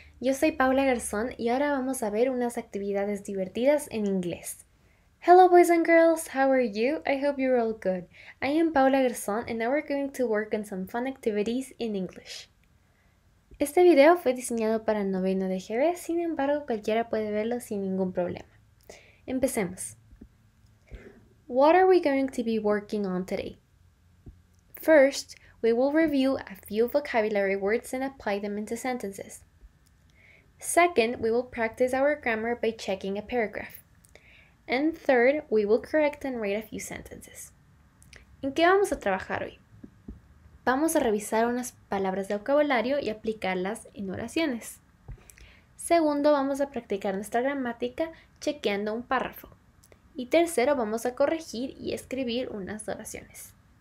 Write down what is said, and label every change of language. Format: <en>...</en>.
<es>Yo soy Paula Garzón y ahora vamos a ver unas actividades divertidas en inglés.</es> <en>Hello boys and girls, how are you? I hope you're all good. I am Paula Garzón and now we're going to work on some fun activities in English.</en> <es>Este video fue diseñado para noveno de EGB, sin embargo, cualquiera puede verlo sin ningún problema. Empecemos.</es> <en>What are we going to be working on today? First, we will review a few vocabulary words and apply them into sentences. Second, we will practice our grammar by checking a paragraph. And third, we will correct and write a few sentences.</en> <es>¿En qué vamos a trabajar hoy? Vamos a revisar unas palabras de vocabulario y aplicarlas en oraciones. Segundo, vamos a practicar nuestra gramática chequeando un párrafo. Y tercero, vamos a corregir y escribir unas oraciones.</es>